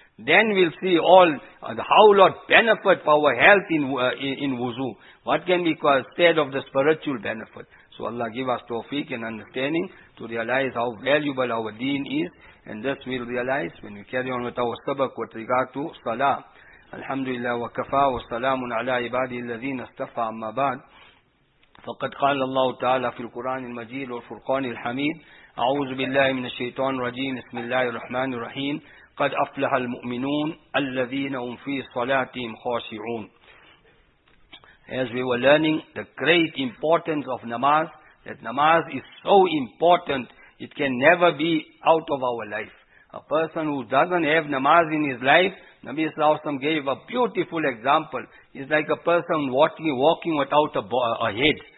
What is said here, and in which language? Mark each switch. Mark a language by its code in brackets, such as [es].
[en] Then we'll see all how lot benefit for our health in wuzu. What can be called said of the spiritual benefit? So Allah give us tawfiq and understanding to realize how valuable our deen is. And this we'll realize when we carry on with our sabak with regard to salah. [ar] الحمد لله وكفى وسلام على عباده الذين اصطفى أما بعد فقد قال الله تعالى في القرآن المجيد والفرقان الحميد أعوذ بالله من الشيطان الرجيم بسم الله الرحمن الرحيم قد أفلح المؤمنون الذين هم في صلاتهم خاشعون. [en] As we were learning the great importance of namaz, that namaz is so important it can never be out of our life. A person who doesn't have namaz in his life, Nabi Sallallahu Alaihi Wasallam gave a beautiful example. It's like a person walking without a head.